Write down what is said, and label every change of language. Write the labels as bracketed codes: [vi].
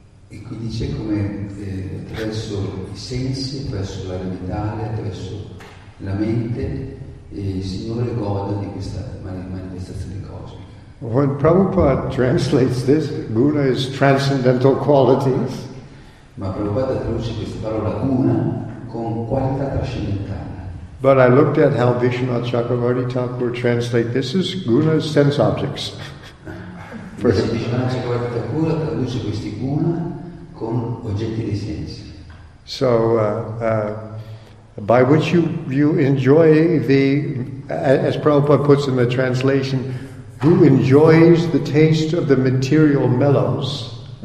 [it] E qui dice come attraverso i sensi, attraverso l'aria vitale, attraverso la mente, il Signore goda di questa manifestazione cosmica. [en] When Prabhupada translates this, guna is transcendental qualities. [it] Ma Prabhupada traduce questa parola guna con qualità trascendentale. [en] But I looked at how Vishwanatha Chakravarti Thakur translate this as guna is sense objects. [it] Vishwanatha Chakravarti Thakur traduce questi guna con oggetti di sensi. [en] So, by which you enjoy the, as Prabhupada puts in the translation, who enjoys the taste of the material mellows?